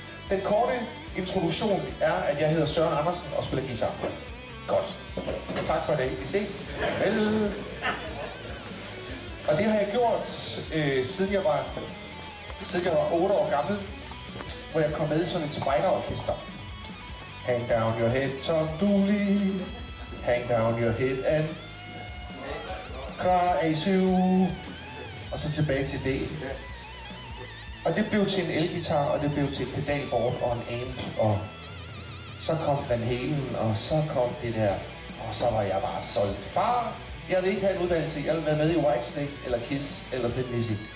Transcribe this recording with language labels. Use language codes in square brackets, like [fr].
[da] Den korte introduktion er, at jeg hedder Søren Andersen og spiller guitar. Godt. Tak for i dag. Vi ses. Vel. Og det har jeg gjort, siden jeg var 8 år gammel, hvor jeg kom med i sådan et spejderorkester. [en] Hang down your head, Tom Dooley. Hang down your head and cry as you. [da] Og så tilbage til det. Og det blev til en elgitar, og det blev til et pedalboard og en amp, og så kom Van Halen, og så kom det der, og så var jeg bare solgt. Far, jeg vil ikke have en uddannelse, jeg vil være med i Whitesnake, eller Kiss, eller Thin Lizzy.